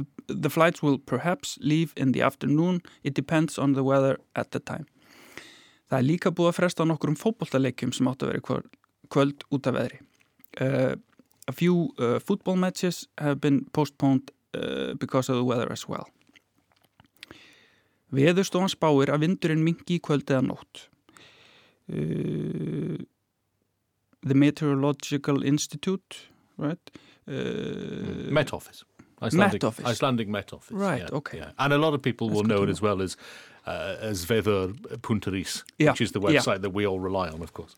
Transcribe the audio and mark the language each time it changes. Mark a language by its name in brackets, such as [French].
[English] The flights will perhaps leave in the afternoon. It depends on the weather at the time. [Icelandic] Það líka búið að fresta nokkrum fótboltaleikjum sem áttu að vera kvöld út af veðri. [English] A few football matches have been postponed because of the weather as well. [Icelandic] Veðurstofan spáir að vindurinn minnki í kvöld eða nótt. [English] The Meteorological Institute, right? Met Office. Icelandic Met Office. Right, yeah, okay. Yeah. And a lot of people will know it as well as Veður.is, which is the website that we all rely on, of course.